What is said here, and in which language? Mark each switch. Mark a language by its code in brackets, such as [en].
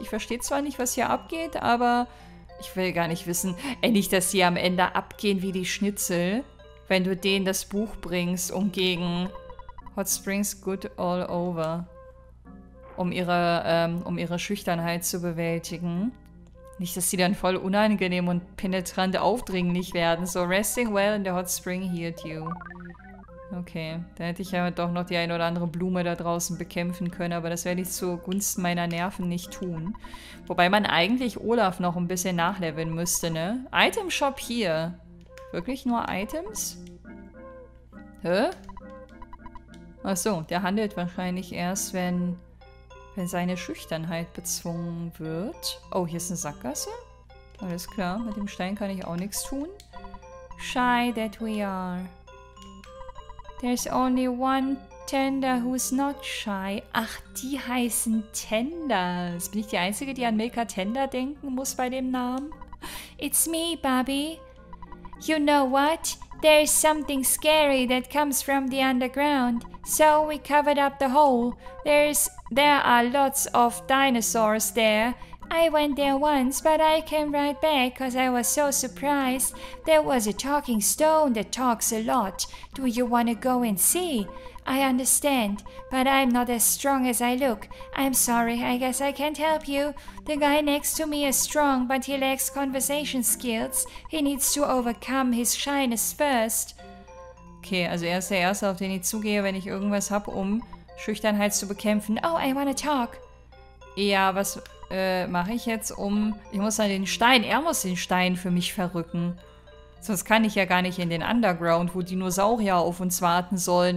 [de] Ich verstehe zwar nicht, was hier abgeht, aber ich will gar nicht wissen, endlich, dass sie am Ende abgehen wie die Schnitzel, wenn du denen das Buch bringst, um gegen [en] Hot Springs Good All Over. [de] Um ihre Schüchternheit zu bewältigen. Nicht, dass sie dann voll unangenehm und penetrant aufdringlich werden. [en] So, resting well in the hot spring healed you. [de] Okay, da hätte ich ja doch noch die ein oder andere Blume da draußen bekämpfen können, aber das werde ich zugunsten meiner Nerven nicht tun. Wobei man eigentlich Olaf noch ein bisschen nachleveln müsste, ne? Item Shop hier. Wirklich nur Items? Hä? Achso, der handelt wahrscheinlich erst, wenn seine Schüchternheit bezwungen wird. Oh, hier ist eine Sackgasse. Alles klar, mit dem Stein kann ich auch nichts tun. [en] Shy that we are. There's only one Tender who's not shy. [de] Ach, die heißen Tenders. Bin ich die Einzige, die an Milka Tender denken muss bei dem Namen? [en] It's me, Bobby. You know what? There's something scary that comes from the underground. So we covered up the hole. There are lots of dinosaurs there. I went there once, but I came right back because I was so surprised. There was a talking stone that talks a lot. Do you want to go and see? I understand, but I'm not as strong as I look. I'm sorry, I guess I can't help you. The guy next to me is strong, but he lacks conversation skills. He needs to overcome his shyness first. [de] Okay, also er ist der Erste, auf den ich zugehe, wenn ich irgendwas habe, um Schüchternheit zu bekämpfen. [en] Oh, I wanna talk. [de] Ja, was mache ich jetzt um... Ich muss an den Stein. Er muss den Stein für mich verrücken. Sonst kann ich ja gar nicht in den Underground, wo Dinosaurier auf uns warten sollen.